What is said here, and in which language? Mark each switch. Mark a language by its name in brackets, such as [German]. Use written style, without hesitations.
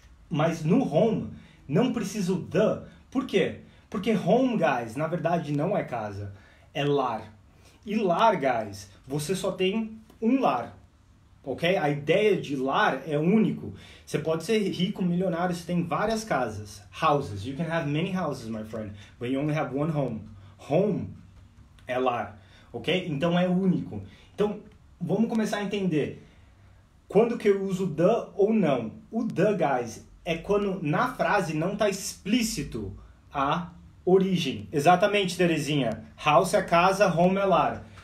[Portuguese] Mas no home, não precisa o the. Por quê? Porque home, guys, na verdade não é casa, é lar. E lar, guys, você só tem um lar, ok? A ideia de lar é único. Você pode ser rico, milionário, você tem várias casas. [English] Houses. You can have many houses, my friend. But you only have one home. [Portuguese] Home é lar, ok? Então é único. Então, vamos começar a entender. Quando que eu uso the ou não? O the, guys, é quando na frase não está explícito a origem. Exatamente, Terezinha. House é casa, home é lar.